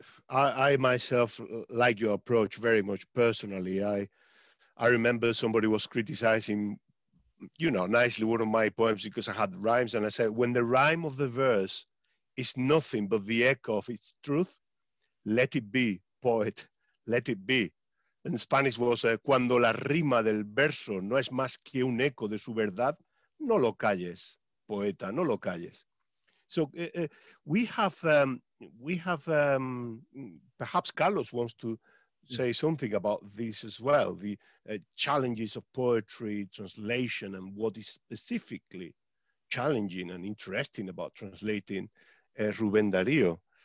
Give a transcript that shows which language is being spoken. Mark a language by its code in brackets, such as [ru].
[en] I myself like your approach very much personally. I remember somebody was criticizing, you know, nicely one of my poems because I had rhymes, and I said, when the rhyme of the verse is nothing but the echo of its truth, let it be, poet, let it be. In Spanish was, [es] cuando la rima del verso no es más que un eco de su verdad, no lo calles, poeta, no lo calles. [en] So we have perhaps Carlos wants to say something about this as well, the challenges of poetry, translation, and what is specifically challenging and interesting about translating Rubén Darío.